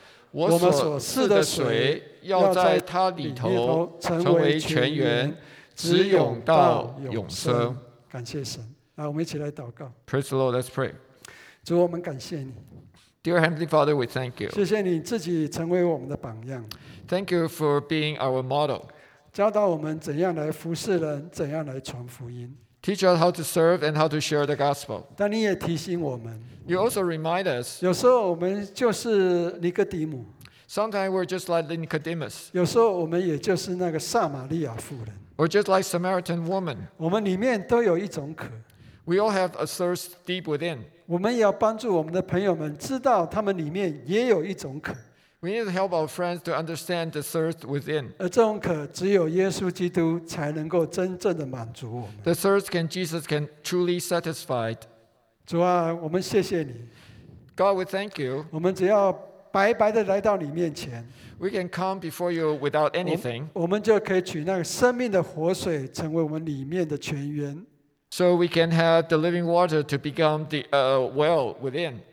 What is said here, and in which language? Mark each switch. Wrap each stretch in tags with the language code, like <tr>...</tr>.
<zh>我所赐的水要在他里头成为泉源，直涌到永生。感谢神，来，我们一起来祷告。</zh> <en>Praise the Lord, let's pray.</en> <zh>主，我们感谢你。</zh> <en>Dear Heavenly Father, we thank you.</en> <zh>谢谢你自己成为我们的榜样。</zh> <en>Thank you for being our model.</en> <zh>教导我们怎样来服侍人，怎样来传福音。</zh> <en>Teach us how to serve and how to share the gospel.</en> <zh>但你也提醒我们。</zh> <en>You also remind us.</en> <zh>有时候我们就是尼哥底母。</zh> <en>Sometimes we're just like Nicodemus.</en> <zh>有时候我们也就是那个撒玛利亚妇人。</zh> <en>Or just like Samaritan woman.</en> <zh>我们里面都有一种渴。</zh> <en>We all have a thirst deep within.</en> <zh>我们也要帮助我们的朋友们知道他们里面也有一种渴。</zh> <en>We need to help our friends to understand the thirst within.</en> <zh>而这种渴，只有耶稣基督才能够真正的满足我们。</zh> <en>The thirst can Jesus can truly satisfy.</en> <zh>主啊，我们谢谢你。</zh> <en>God, we thank you.</en> <zh>我们只要白白的来到你面前。</zh> <en>We can come before you without anything.</en> <zh>我们就可以取那个生命的活水成为我们里面的泉源。</zh> <en>So we can have the living water to become the well within.</en>